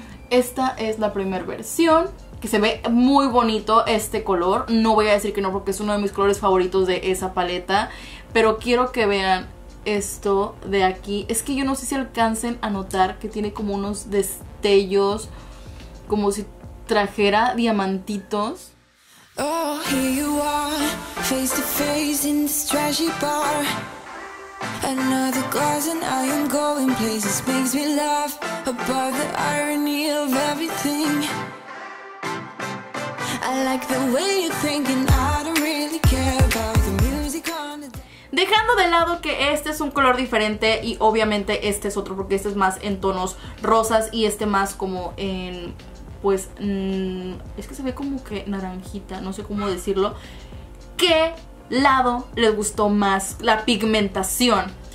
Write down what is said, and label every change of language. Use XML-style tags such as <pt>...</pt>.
<es>Esta es la primera versión, que se ve muy bonito este color. No voy a decir que no porque es uno de mis colores favoritos de esa paleta, pero quiero que vean esto de aquí. Es que yo no sé si alcancen a notar que tiene como unos destellos, como si trajera diamantitos.</es> <en>Oh, here you are, face to face in this trashy bar. Another glass and I am going places. Makes me laugh about the irony of everything. I like the way you're thinking, I don't really care about the music on the...</en> <es>Dejando de lado que este es un color diferente y obviamente este es otro porque este es más en tonos rosas y este más como en, pues, es que se ve como que naranjita, no sé cómo decirlo. ¿Qué lado les gustó más la pigmentación?</es>